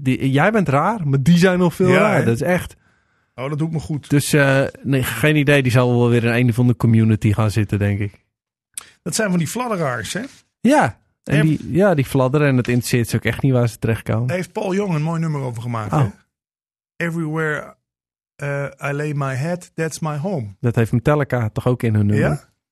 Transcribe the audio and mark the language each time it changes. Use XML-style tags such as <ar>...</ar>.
<nl>Jij bent raar, maar die zijn nog veel raar. Dat is echt... Oh, dat doet me goed. Dus geen idee. Die zal wel weer in een van de community gaan zitten, denk ik. Dat zijn van die fladderaars, hè? Ja. En die fladderen en het interesseert ze ook echt niet waar ze terechtkomen. Daar heeft Paul Jong een mooi nummer over gemaakt. Oh.</nl> <en>Everywhere I lay my head, that's my home.</en> <nl>Dat heeft Metallica toch ook in hun nummer? Ja?</nl>